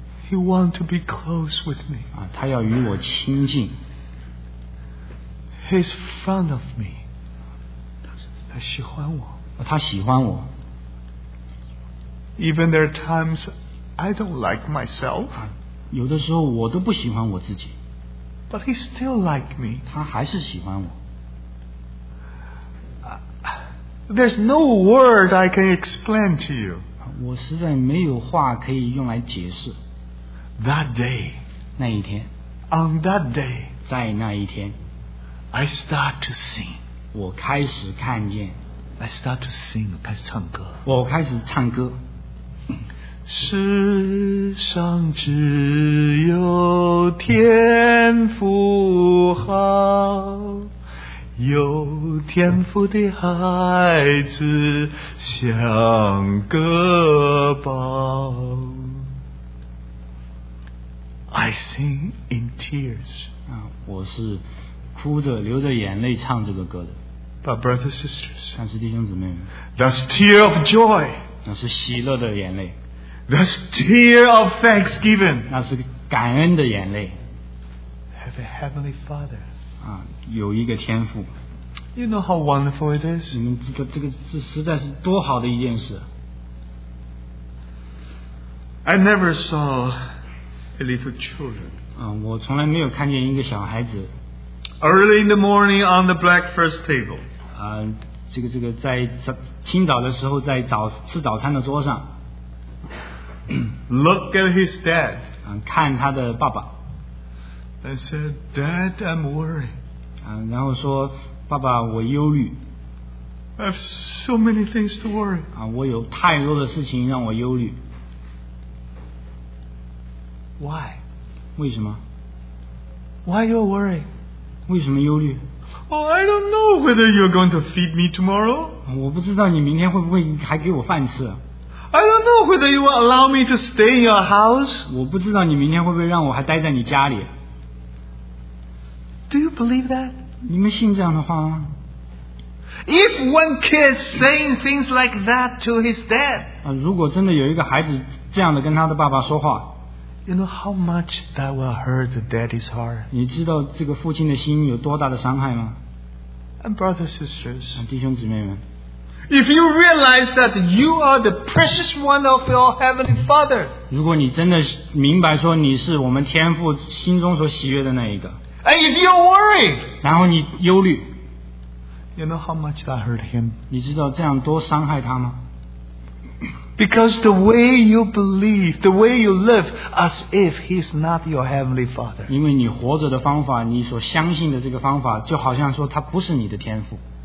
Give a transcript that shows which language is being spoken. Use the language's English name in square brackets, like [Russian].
[English] He want to be close with me, [Chinese] 他要与我亲近。 [English] He's fond of me, [Chinese] 他喜欢我，他喜欢我。 [English] Even there are times I don't like myself. [Chinese] 有的时候我都不喜欢我自己。 [English] But he still like me. [Chinese] 他还是喜欢我。 [English] There's no word I can explain to you. [Chinese] 我实在没有话可以用来解释。 [English] That day, [Chinese] 那一天。 [English] On that day, [Chinese] 在那一天。 [English] I start to sing. [Chinese] 我开始看见， [English] I start to sing, [Chinese] 开始唱歌。我开始唱歌。世上只有天父好，有天父的孩子像个宝。 [English] I sing in tears. [Chinese] 我是哭着流着眼泪唱这个歌的。 [English] But brothers and sisters, [Chinese] 但是弟兄姊妹们， [English] That's tear of joy. [Chinese] 那是喜乐的眼泪。 [English] That's tear of thanksgiving. [Chinese] 那是感恩的眼泪。 [English] Have a heavenly father. [Chinese] 啊，有一个天父。 [English] You know how wonderful it is. [Chinese] 你们知道这个是实在是多好的一件事。 [English] I never saw a little children. [Chinese] 啊，我从来没有看见一个小孩子。 [English] Early in the morning on the breakfast table. [Chinese] 啊，这个在清早的时候在早吃早餐的桌上。 [English] Look at his dad. [Chinese] 啊，看他的爸爸。 [English] I said, Dad, I'm worried. [Chinese] 啊，然后说。爸爸，我忧虑。 [English] I have so many things to worry. [Chinese] 啊，我有太多的事情让我忧虑。 [English] Why? [Chinese] 为什么 [English] ？Why you worry? [Chinese] 为什么忧虑 [English] ？Oh, I don't know whether you're going to feed me tomorrow. [Chinese] 我不知道你明天会不会还给我饭吃。 [English] I don't know whether you will allow me to stay in your house. [Chinese] 我不知道你明天会不会让我还待在你家里。 [English] Do you believe that? [Chinese] 你们信这样的话吗 [English] ？If one kid saying things like that to his dad， [Chinese] 如果真的有一个孩子这样的跟他的爸爸说话 [English] ，You know how much that will hurt the daddy's heart。 [Chinese] 你知道这个父亲的心有多大的伤害吗 [English] ？And brothers and sisters， [Chinese] 弟兄姊妹们 [English] ，If you realize that you are the precious one of your heavenly father， [Chinese] 如果你真的明白说你是我们天父心中所喜悦的那一个。 [English] And if you're worried, [Chinese] 然后你忧虑 [English] you know how much that hurt him. [Chinese] 你知道这样多伤害他吗 [English] Because the way you believe, the way you live, as if he's not your heavenly father. [Chinese] 因为你活着的方法，你所相信的这个方法，就好像说他不是你的天父。